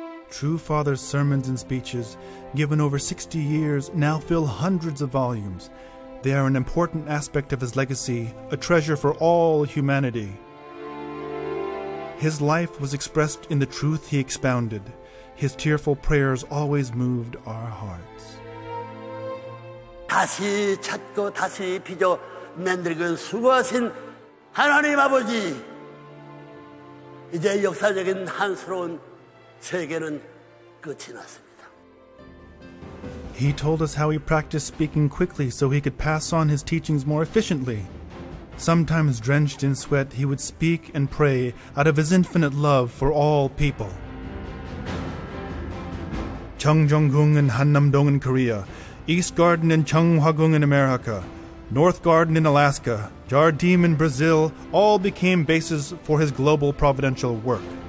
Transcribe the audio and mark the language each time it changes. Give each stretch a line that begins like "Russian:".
English: True Father's sermons and speeches, given over 60 years, now fill hundreds of volumes. They are an important aspect of his legacy, a treasure for all humanity. His life was expressed in the truth he expounded. His tearful prayers always moved our hearts.
Korean: 다시 찾고 다시 빚어 만들고 수고하신 하나님 아버지, 이제 역사적인 한스러운 세계는 끝이 났습니다.
English: He told us how he practiced speaking quickly so he could pass on his teachings more efficiently. Sometimes drenched in sweat, he would speak and pray out of his infinite love for all people. Cheongjong-gung and Hanam-dong in Korea, East Garden and Chunghwa-gung in America, North Garden in Alaska, Jardim in Brazil, all became bases for his global providential work.